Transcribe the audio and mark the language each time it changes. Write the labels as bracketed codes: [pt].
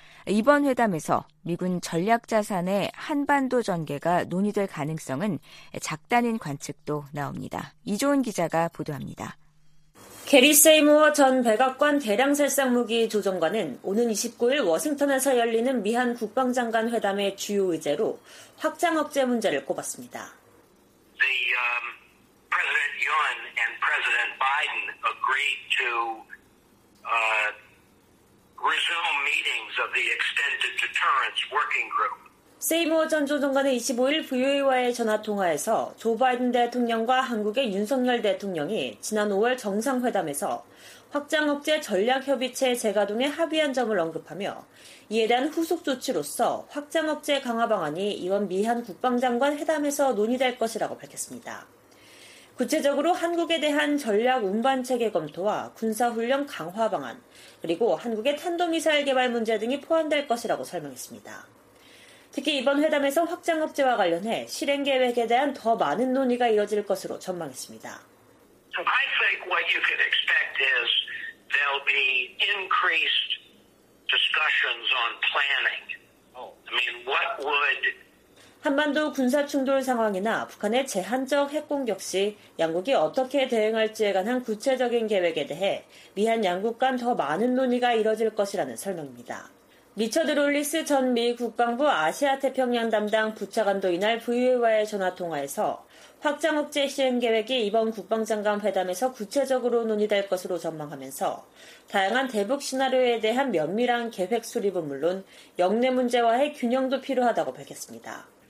[ko] 이번 회담에서 미군 전략 자산의 한반도 전개가 논의될 가능성은 작다는 관측도 나옵니다. 이조은 기자가 보도합니다. 게리 세이무어 전 백악관 대량살상무기 조정관은 오는 29일 워싱턴에서 열리는 미한 국방장관 회담의 주요 의제로 확장 억제 문제를 꼽았습니다. [en] President Yun and President Biden agreed to resume meetings of the extended deterrence working group. [ko] 세이무어 전 조정관은 25일 VOA와의 전화통화에서 조 바이든 대통령과 한국의 윤석열 대통령이 지난 5월 정상회담에서 확장 억제 전략협의체 재가동에 합의한 점을 언급하며 이에 대한 후속 조치로서 확장 억제 강화 방안이 이번 미한 국방장관 회담에서 논의될 것이라고 밝혔습니다. 구체적으로 한국에 대한 전략 운반 체계 검토와 군사훈련 강화 방안, 그리고 한국의 탄도미사일 개발 문제 등이 포함될 것이라고 설명했습니다. 특히 이번 회담에서 확장 억제와 관련해 실행 계획에 대한 더 많은 논의가 이뤄질 것으로 전망했습니다. [en] I think what you can expect is there'll be increased discussions on planning. I mean, what would [ko] 한반도 군사 충돌 상황이나 북한의 제한적 핵 공격 시 양국이 어떻게 대응할지에 관한 구체적인 계획에 대해 미한 양국 간 더 많은 논의가 이뤄질 것이라는 설명입니다. 리처드 롤리스 전 미 국방부 아시아태평양 담당 부차관도 이날 VOA와의 전화통화에서 확장 억제 시행 계획이 이번 국방장관 회담에서 구체적으로 논의될 것으로 전망하면서 다양한 대북 시나리오에 대한 면밀한 계획 수립은 물론 역내 문제와의 균형도 필요하다고 밝혔습니다.